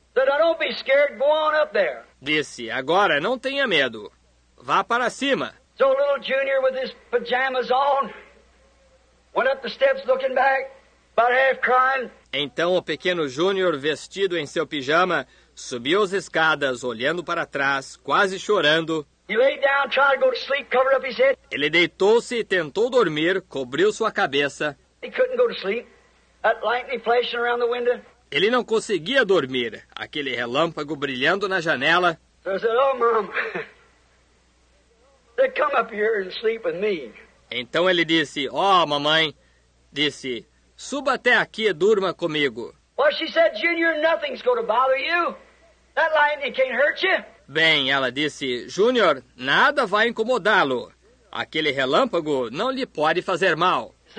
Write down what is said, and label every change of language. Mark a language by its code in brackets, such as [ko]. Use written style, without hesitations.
[en] Said, "Don't be scared, go on up there." [pt] Disse, agora, não tenha medo, vá para cima. [en] So little Junior with his pajamas on went up the steps looking back, about half crying. [pt] Então o pequeno Júnior, vestido em seu pijama, subiu as escadas, olhando para trás, quase chorando. [en] He lay down, tried to go to sleep, covered up his head. [pt] Ele deitou-se e tentou dormir, cobriu sua cabeça. [en] He couldn't go to sleep. That lightning flashing around the window. [pt] Ele não conseguia dormir, aquele relâmpago brilhando na janela. [en] So I said, "Oh, Mom, they come up here and sleep with me." [pt] Então ele disse, "Oh, mamãe," disse, "suba até aqui e durma comigo." [en] Well, she said, "Junior, nothing's going to bother you. That lightning can't hurt you." [pt] Bem, ela disse, "Junior, nada vai incomodá-lo. Aquele relâmpago não lhe pode fazer mal.